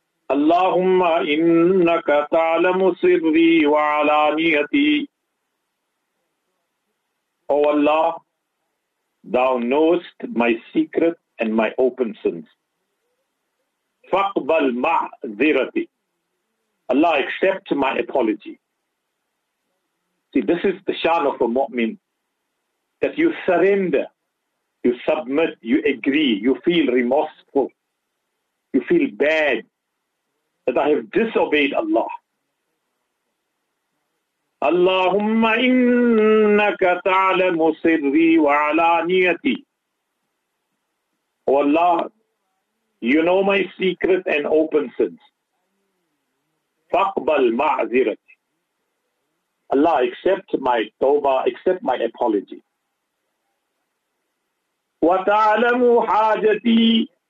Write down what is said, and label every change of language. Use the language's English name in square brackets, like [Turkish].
[Arabic] اللهم إنك تعلم سري وعلانيتي. [English] Oh Allah, thou knowest my secret and my open sins. [Arabic] فَقْبَلْ مَعْذِرَتِي. [English] Allah, accept my apology. See, this is the shan of a mu'min, that you surrender, you submit, you agree, you feel remorseful, you feel bad, that I have disobeyed Allah. [Arabic] اللهم إنك تعلم سري وعلانيتي. [English] Oh Allah, you know my secret and open sins. [Arabic] فَقْبَلْ مَعْذِرَتِ. [English] Allah, accept my tawbah, accept my apology. [Arabic] وَتَعْلَمُ حَاجَتِي.